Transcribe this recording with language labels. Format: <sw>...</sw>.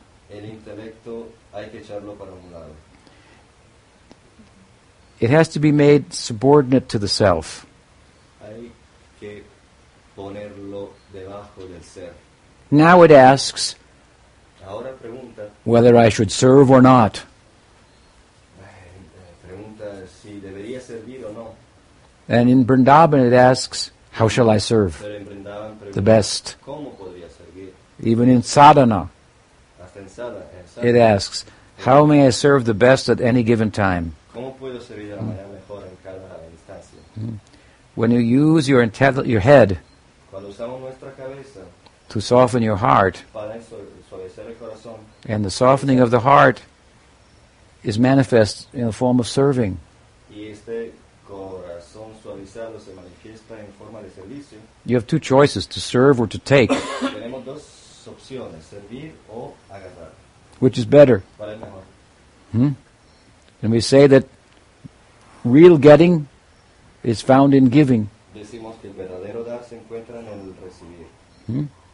<es>El intelecto hay que echarlo para un lado.</es> <en>It has to be made subordinate to the self.</en> <es>Hay que ponerlo debajo del ser.</es> <en>Now it asks</en> <es>ahora pregunta,</es> <en>whether I should serve or not.</en> <es>Pregunta si debería servir o no.</es> <en>And in Vrindavan it asks, how shall I serve?</en> <es>Pero en Vrindavan pregunta,</es> <en>the best.</en> <es>¿Cómo podría servir?</es> <en>Even in sadhana,</en> <es>hasta en sadhana,</es> <en>it asks, how may I serve the best at any given time?</en> <es>¿Cómo puedo servir a la manera mejor en cada instancia?</es> <en>When you use your head,</en> <es>cuando usamos nuestra cabeza,</es> <en>to soften your heart.</en> <es>Para suavizar el corazón,</es> <en>and the softening of the heart is manifest in the form of serving.</en> <es>Y este corazón suavizado se manifiesta en forma de servicio.</es> <en>You have two choices, to serve or to take.</en> <es>Tenemos dos opciones, servir o agarrar.</es> <en>Which is better?</en> <es>¿Cuál es mejor?</es> <en>And we say that real getting is found in giving.</en> <es>Decimos que el verdadero dar se encuentra en el recibir.</es>